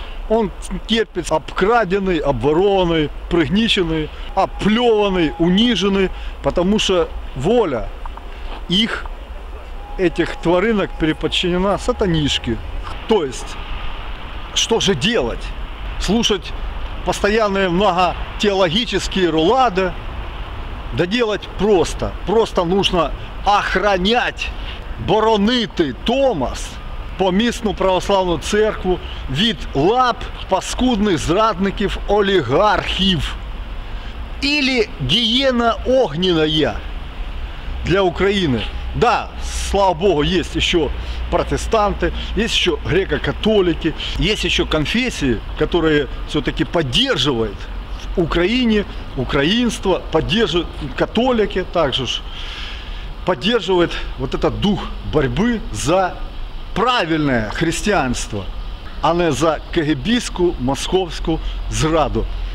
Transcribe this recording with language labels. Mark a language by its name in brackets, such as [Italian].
[Russian] Он терпит обкраденный, обворованный, пригниченный, оплеванный, униженный, потому что воля их этих тваринок переподчинена сатанишке. То есть, что же делать? Слушать постоянные многотеологические рулады? Да делать просто. Просто нужно охранять, [Ukrainian] боронити Томас, помісну православну церкву від лап паскудних зрадників олігархів. [Russian] Или гиена огненная для Украины. Да, слава Богу, есть еще протестанты, есть еще греко-католики, есть еще конфессии, которые все-таки поддерживают в Украине, украинство, поддерживают католики также, поддерживают вот этот дух борьбы за правильное христианство, а не за кегебистскую московскую зраду.